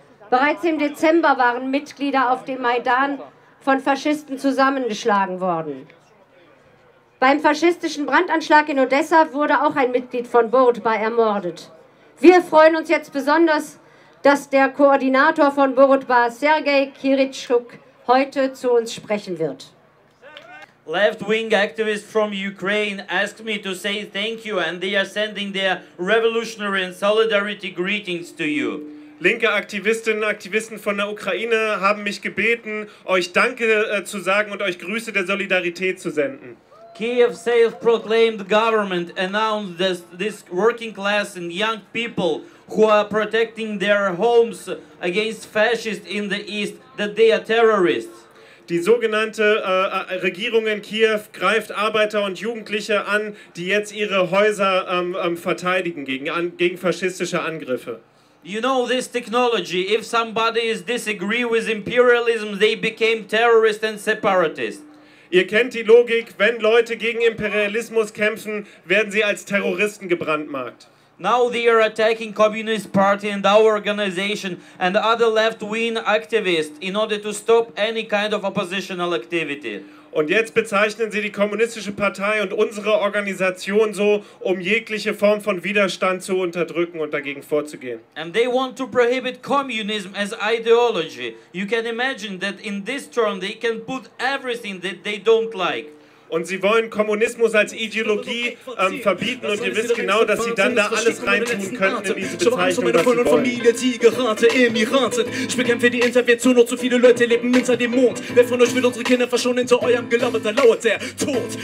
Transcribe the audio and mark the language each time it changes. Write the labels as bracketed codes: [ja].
[de] Bereits im Dezember waren Mitglieder auf dem Maidan von Faschisten zusammengeschlagen worden. Beim faschistischen Brandanschlag in Odessa wurde auch ein Mitglied von Borutba ermordet. Wir freuen uns jetzt besonders, dass der Koordinator von Borutba, Sergei Kiritschuk, heute zu uns sprechen wird. [en] Left-wing activists from Ukraine asked me to say thank you and they are sending their revolutionary and solidarity greetings to you. [de] Linke Aktivistinnen und Aktivisten von der Ukraine haben mich gebeten, euch Danke zu sagen und euch Grüße der Solidarität zu senden. [en] Kiev self-proclaimed government announced that this working class and young people who are protecting their homes against fascists in the east, that they are terrorists. [de] Die sogenannte Regierung in Kiew greift Arbeiter und Jugendliche an, die jetzt ihre Häuser verteidigen gegen faschistische Angriffe. [en] You know this technology, if somebody is disagree with imperialism, they became terrorists and separatists. [de] Ihr kennt die Logik, wenn Leute gegen Imperialismus kämpfen, werden sie als Terroristen gebrandmarkt. [en] Now they are attacking Communist Party and our organization and other left-wing activists in order to stop any kind of oppositional activity. [de] Und jetzt bezeichnen sie die Kommunistische Partei und unsere Organisation so, um jegliche Form von Widerstand zu unterdrücken und dagegen vorzugehen. [en] And they want to prohibit communism as ideology. You can imagine that in this term they can put everything that they don't like. [de] Und sie wollen Kommunismus als Ideologie verbieten und ihr wisst genau, dass sie dann da alles reintun könnten in diese Bezeichnung, was sie wollen. Familie, Tigerate, Emirate. Ich bekämpfe die Intervention, nur zu viele Leute leben hinter dem Mond. Wer von euch will unsere Kinder verschonen, hinter eurem Gelaber, da lauert der Tod.